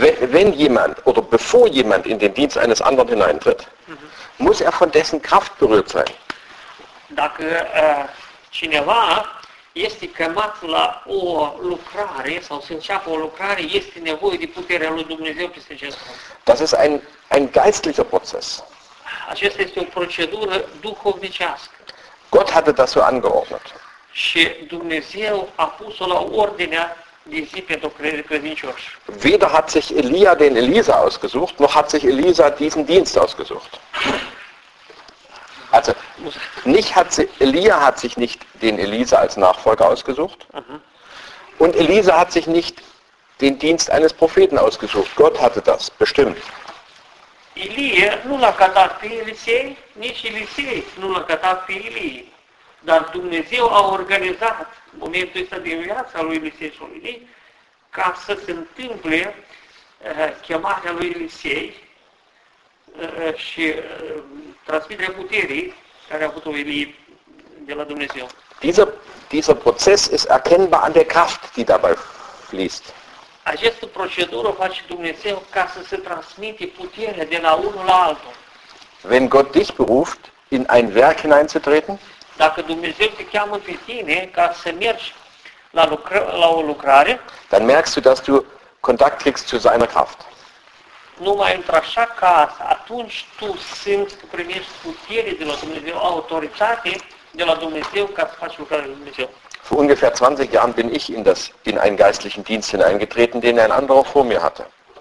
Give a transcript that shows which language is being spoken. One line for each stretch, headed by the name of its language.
German: Wenn jemand oder bevor jemand in den Dienst eines anderen hineintritt, muss er von dessen Kraft berührt sein.
Romanian: Dacă cineva este chemat la o lucrare sau să înceapă o lucrare, este nevoie de puterea lui Dumnezeu peste ce spune.
German: Das ist ein geistlicher Prozess.
Romanian: Acesta este o procedură duhovnicească.
German: Gott hatte das so angeordnet.
Romanian: Și Dumnezeu a pus-o la ordinea de zi pentru credincioși.
German: Weder hat sich Elia den Elisa ausgesucht, noch hat sich Elisa diesen Dienst ausgesucht. Also, Elia hat sich nicht den Elisa als Nachfolger ausgesucht. Aha. Und Elisa hat sich nicht den Dienst eines Propheten ausgesucht. Gott hatte das, bestimmt.
Romanian: Elia nu l-a catat pe Elisei, nici Elisei nu l-a catat pe Elie. Dar Dumnezeu a organizat momentul ăsta din viața lui Elisei și lui Elie ca să se întâmple chemarea lui Elisei și transmiterea puterii care a avut-o Elie de la Dumnezeu.
German: Dieser Prozess ist erkennbar an der Kraft, die dabei fließt.
Romanian: Această procedură face Dumnezeu ca să se transmite puterea de la unul la altul.
German: Wenn Gott dich beruft, in ein Werk hineinzutreten,
Romanian: dacă Dumnezeu te cheamă pe tine ca să mergi la la o lucrare,
German: dann merkst du, dass du Kontakt kriegst zu seiner Kraft.
Romanian: Numai într-așa caz, atunci tu simți că primești putere de la Dumnezeu, autoritate de la Dumnezeu ca să faci lucrarea lui Dumnezeu.
German: Vor ungefähr 20 Jahren bin ich in einen geistlichen Dienst hineingetreten, den ein anderer vor mir hatte.